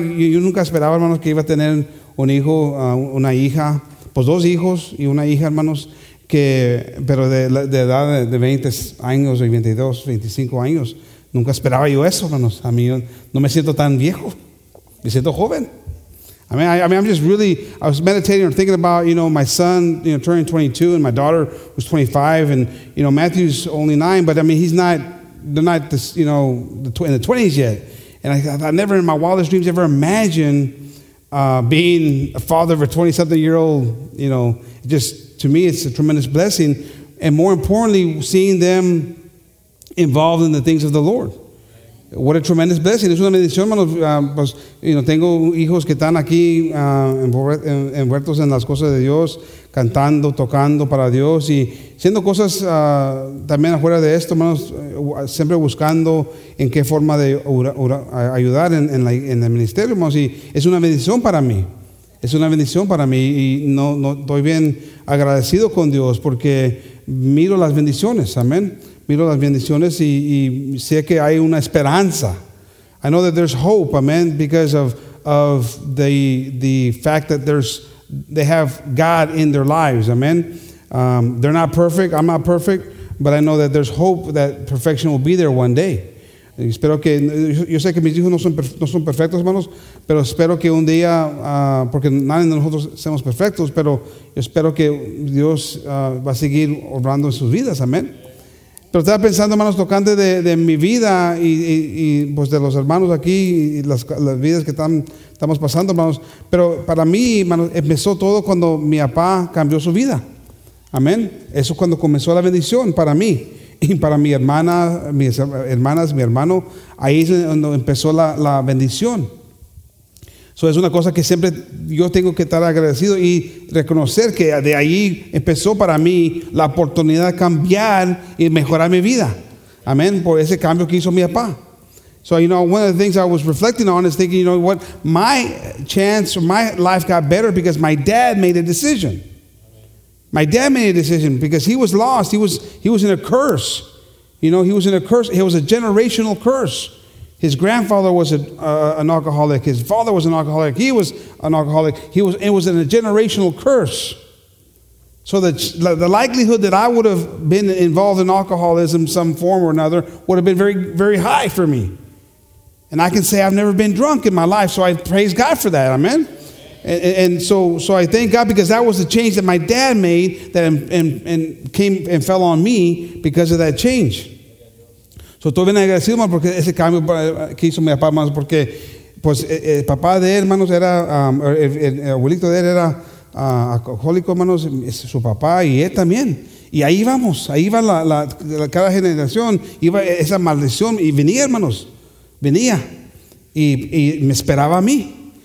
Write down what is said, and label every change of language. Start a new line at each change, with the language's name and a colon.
Spanish: Yo nunca esperaba, hermanos, que iba a tener un hijo, una hija, pues dos hijos y una hija, hermanos, pero de edad de 20 años, 22, 25 años. Nunca esperaba yo eso, hermanos. A mí no me siento tan viejo, me siento joven.
English: I was meditating or thinking about, you know, my son, you know, turning 22 and my daughter was 25 and, you know, Matthew's only 9, but I mean, they're not in the 20s yet. And I never in my wildest dreams ever imagined being a father of a 20-something-year-old, you know. Just to me, it's a tremendous blessing. And more importantly, seeing them involved in the things of the Lord. What a tremendous blessing.
Spanish: Es una bendición, hermanos. Pues, you know, tengo hijos que están aquí envueltos en las cosas de Dios, cantando, tocando para Dios y haciendo cosas también afuera de esto, hermanos, siempre buscando en qué forma de ayudar en el ministerio, hermanos. Y es una bendición para mí. Es una bendición para mí y no estoy bien agradecido con Dios porque miro las bendiciones. Amén. Miro las bendiciones y sé que hay una esperanza. I know that there's hope, amen, because of the fact that they have God in their lives, amen. They're not perfect, I'm not perfect, but I know that there's hope that perfection will be there one day. Y espero que, yo sé que mis hijos no son perfectos, hermanos, pero espero que un día, porque nadie de nosotros seamos perfectos, pero yo espero que Dios va a seguir obrando en sus vidas, amen. Pero estaba pensando, hermanos, tocante de mi vida y pues de los hermanos aquí y las vidas que estamos pasando, hermanos. Pero para mí, hermanos, empezó todo cuando mi papá cambió su vida. Amén. Eso es cuando comenzó la bendición para mí y para mi hermana, mis hermanas, mi hermano. Ahí es donde empezó la bendición. Eso es una cosa que siempre yo tengo que estar agradecido y reconocer que de ahí empezó para mí la oportunidad de cambiar y mejorar mi vida. Amén. Por ese cambio que hizo mi papá.
English: So, you know, one of the things I was reflecting on is thinking, you know what, my chance, my life got better because my dad made a decision. My dad made a decision because he was lost. He was in a curse. You know, he was in a curse. It was a generational curse. His grandfather was an alcoholic. His father was an alcoholic. He was an alcoholic. It was in a generational curse. So the likelihood that I would have been involved in alcoholism some form or another would have been very, very high for me. And I can say I've never been drunk in my life, so I praise God for that. Amen? And so I thank God because that was the change that my dad made that and came and fell on me because of that change.
Spanish: So, estoy bien agradecido, hermano, porque ese cambio que hizo mi papá, hermano, porque pues el papá de él, hermanos, era el abuelito de él era alcohólico, hermanos, su papá y él también. Y ahí vamos, ahí iba la cada generación, iba esa maldición y venía, hermanos, venía y me esperaba a mí.